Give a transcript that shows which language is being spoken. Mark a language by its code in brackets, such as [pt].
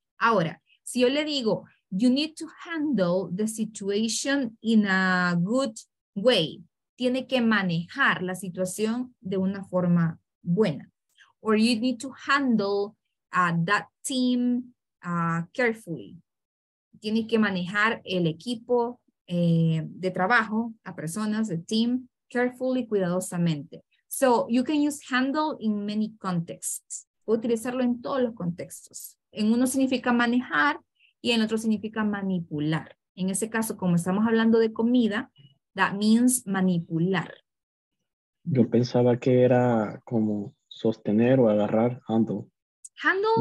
[es] Ahora, si yo le digo, [en] you need to handle the situation in a good way. [es] Tiene que manejar la situación de una forma buena. [en] Or you need to handle that team carefully. [es] Tienes que manejar el equipo de trabajo, a personas, el team, [en] carefully, [es] cuidadosamente. [en] So you can use handle in many contexts. [es] Puedo utilizarlo en todos los contextos. En uno significa manejar y en otro significa manipular. En ese caso, como estamos hablando de comida, [en] that means [es] manipular. Yo pensaba que era como sostener o agarrar, handle. [en] Handle.